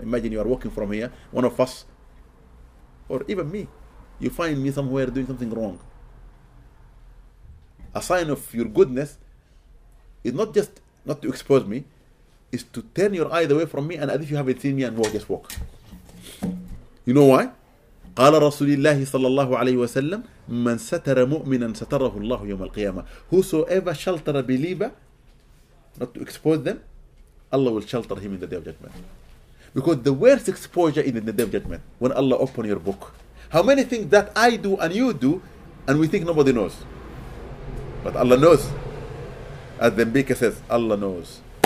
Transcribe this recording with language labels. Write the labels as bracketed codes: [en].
[en] Imagine you are walking from here, one of us, or even me. You find me somewhere doing something wrong. A sign of your goodness is not just not to expose me, is to turn your eyes away from me and as if you haven't seen me and walk, just walk. You know why? [ar] قال رسول الله صلى الله عليه وسلم من ستر مؤمنا ستره الله يوم القيامة. [en] Whosoever shelter a believer, not to expose them, Allah will shelter him in the day of judgment. Because the worst exposure is in the day of judgment, when Allah open your book. How many things that I do and you do, and we think nobody knows? But Allah knows. As the Mbika says, Allah knows.